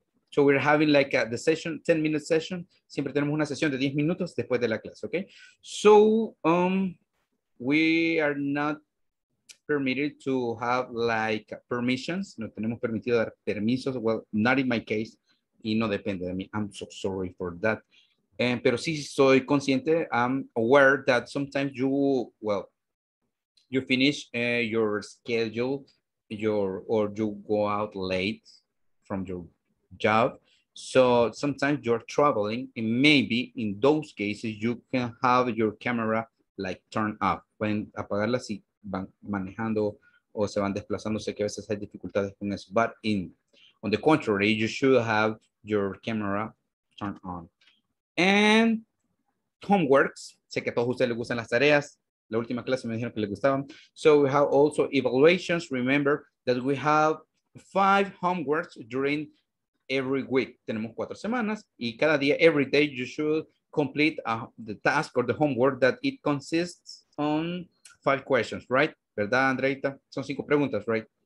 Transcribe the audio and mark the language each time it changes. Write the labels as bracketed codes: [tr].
[en] So we're having like the session, 10-minute session. [es] Siempre tenemos una sesión de 10 minutos después de la clase, okay? [en] So we are not permitted to have like permissions. [es] No tenemos permitido dar permisos. [en] Well, not in my case. [es] Y no depende de mí. [en] I'm so sorry for that. [es] Pero sí soy consciente, [en] I'm aware that sometimes you, well, you finish your schedule, or you go out late from your job. So sometimes you're traveling, and maybe in those cases, you can have your camera like turn up. [es] Pueden apagarla si van manejando o se van desplazando. Sé que a veces hay dificultades con eso. [en] But in, on the contrary, you should have your camera turned on. And homeworks. [es] Sé que a todos ustedes les gustan las tareas. La última clase me dijeron que les gustaban. [en] So we have also evaluations. Remember that we have 5 homeworks during every week. [es] Tenemos 4 semanas. Y cada día, [en] every day, you should complete the task or the homework that it consists on 5 questions, right? [es] ¿Verdad, Andreita? Son 5 preguntas, [en] right?